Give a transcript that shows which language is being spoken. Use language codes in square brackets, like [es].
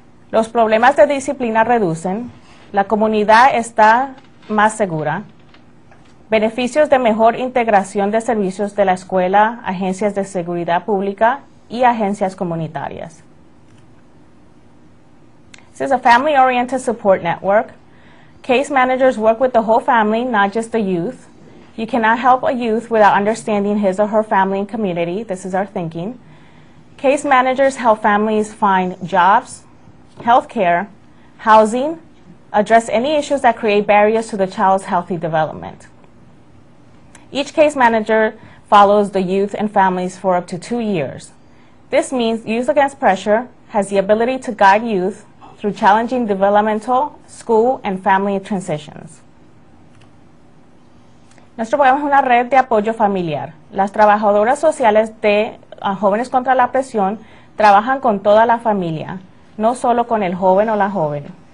[es] Los problemas de disciplina reducen. La comunidad está más segura. Beneficios de mejor integración de servicios de la escuela, agencias de seguridad pública y agencias comunitarias. [en] This is a family-oriented support network. Case managers work with the whole family, not just the youth. You cannot help a youth without understanding his or her family and community. This is our thinking. Case managers help families find jobs, health care, housing, address any issues that create barriers to the child's healthy development. Each case manager follows the youth and families for up to 2 years. This means Youth Against Pressure has the ability to guide youth through challenging developmental, school, and family transitions. [es] Nuestro programa es una red de apoyo familiar. Las trabajadoras sociales de Jóvenes Contra la Presión trabajan con toda la familia, no solo con el joven o la joven.